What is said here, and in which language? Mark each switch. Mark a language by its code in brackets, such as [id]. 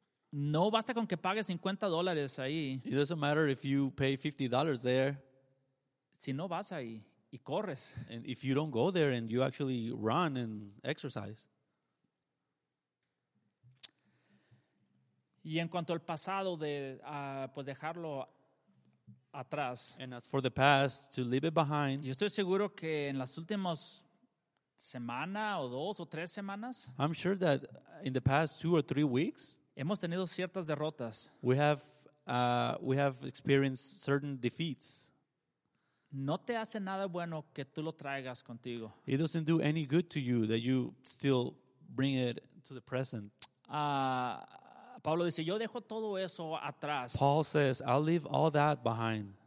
[es] No basta con que pagues $50 ahí. [en] It doesn't matter if you pay $50 there. [es] Si no vas ahí y corres. [en] And if you don't go there and you actually run and exercise. [es] Y en cuanto al pasado de pues dejarlo atrás. [en] And as for the past, to leave it behind. [es] Yo estoy seguro que en las últimas semana o dos o tres semanas. [en] I'm sure that in the past 2 or 3 weeks. [es] Hemos tenido ciertas derrotas. [en] We have experienced certain defeats. [es] No te hace nada bueno que tú lo traigas contigo. [en] It doesn't do any good to you that you still bring it to the present. [es] Pablo dice, yo dejo todo eso atrás. [en] Paul says, I'll leave all that behind.